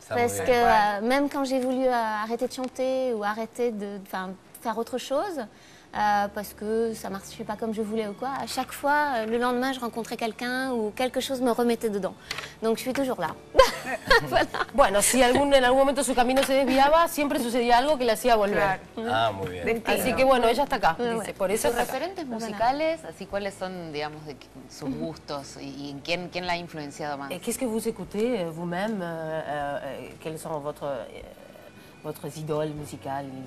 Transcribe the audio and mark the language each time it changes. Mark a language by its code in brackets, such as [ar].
[fr] Parce que même quand j'ai voulu arrêter de chanter ou arrêter de faire autre chose parce que ça marchait pas comme je voulais ou quoi, à chaque fois le lendemain je rencontrais quelqu'un ou quelque chose me remettait dedans. Donc je suis toujours là. Voilà. [es] Bueno, si en algún momento su camino se desviaba, siempre sucedía algo que le hacía volver. Claro. Muy bien. Destino. Así que bueno, ella está acá. Por eso. Sus referentes musicales, así cuáles son, digamos, de sus gustos y quién la ha influenciado más. [fr] ¿Qué es que vous écoutez vous-même? ¿Quelles sont votre idoles musicales?